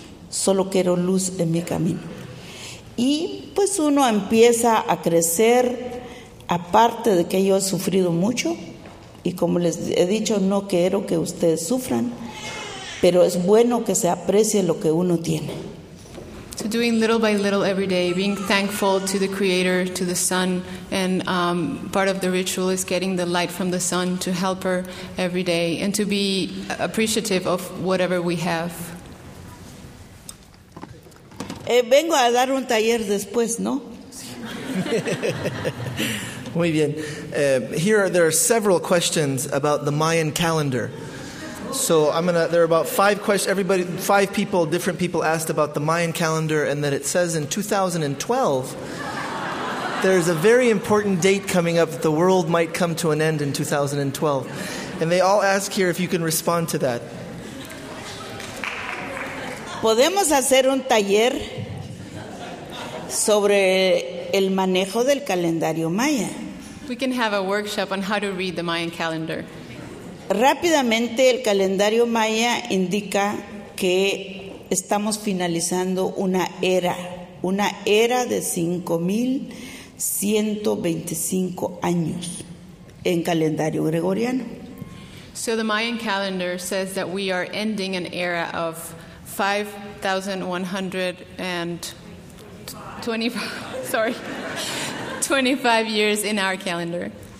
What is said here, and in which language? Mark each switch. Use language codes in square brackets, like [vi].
[es] Solo quiero luz en mi camino. Y pues uno empieza a crecer, aparte de que yo he sufrido mucho, y como les he dicho, no quiero que ustedes sufran, pero es bueno que se aprecie lo que uno tiene. [en] So doing little by little every day, being thankful to the Creator, to the sun, and part of the ritual is getting the light from the sun to help her every day, and to be appreciative of whatever we have. [es] Vengo a dar un taller después, ¿no? Muy bien. [en] There are several questions about the Mayan calendar. So there are about five questions. Everybody, five people, different people asked about the Mayan calendar, and that it says in 2012 there's a very important date coming up that the world might come to an end in 2012. And they all ask here if you can respond to that. [es] Podemos hacer un taller sobre el manejo del calendario maya. [en] We can have a workshop on how to read the Mayan calendar. [es] Rápidamente, el calendario maya indica que estamos finalizando una era de 5,125 años en calendario gregoriano. [en] So the Mayan calendar says that we are ending an era of 25 years in our calendar.